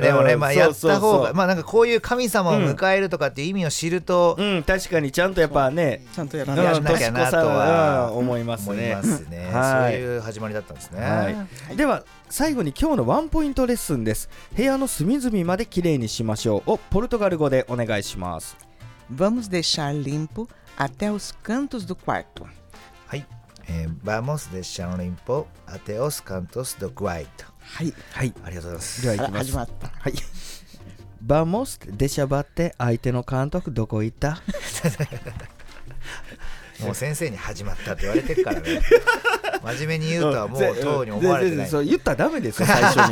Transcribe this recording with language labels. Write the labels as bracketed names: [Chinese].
[Japanese] でもね、まあ、やった方が、まあ、なんかこういう神様を迎えるとかっていう意味を知ると、うんうん、確かにちゃんとやっぱね、ちゃんとやらなきゃなとは思いますね。はい、そういう始まりだったんですね、はい、では最後に今日のワンポイントレッスンです。部屋の隅々まできれいにしましょうをポルトガル語でお願いします。 [Portuguese] Vamos deixar limpo até os cantos do quarto。はい、Vamos deixar limpo até os cantos do quarto。 [Japanese] はい、はい、ありがとうございます。では行きます。始まった。はい。バモスデシャバって相手の監督どこ行った？もう先生に始まったって言われてるからね。真面目に言うとはもう当に思われてない。そう言ったらダメですよ最初に。